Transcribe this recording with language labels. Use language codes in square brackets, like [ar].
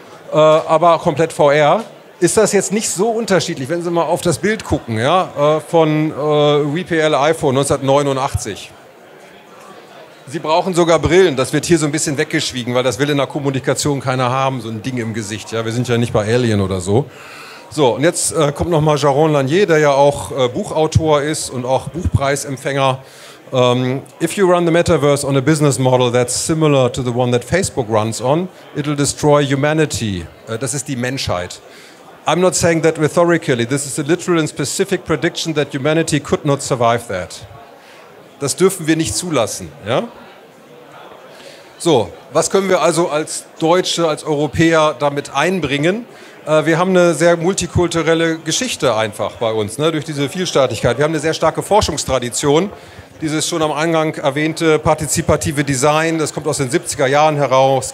[de] Aber komplett VR. Ist das jetzt nicht so unterschiedlich, wenn Sie mal auf das Bild gucken, ja, von VPL iPhone 1989. Sie brauchen sogar Brillen, das wird hier so ein bisschen weggeschwiegen, weil das will in der Kommunikation keiner haben, so ein Ding im Gesicht. Ja, wir sind ja nicht bei Alien oder so. So, und jetzt kommt nochmal Jaron Lanier, der ja auch Buchautor ist und auch Buchpreisempfänger. [en] If you run the metaverse on a business model that's similar to the one that Facebook runs on, it'll destroy humanity. [de] Das ist die Menschheit. [en] I'm not saying that rhetorically, this is a literal and specific prediction that humanity could not survive that. [de] Das dürfen wir nicht zulassen, ja? So, was können wir also als Deutsche, als Europäer damit einbringen? Wir haben eine sehr multikulturelle Geschichte einfach bei uns, ne, durch diese Vielstaatigkeit. Wir haben eine sehr starke Forschungstradition. Dieses schon am Eingang erwähnte partizipative Design, das kommt aus den 70er Jahren heraus.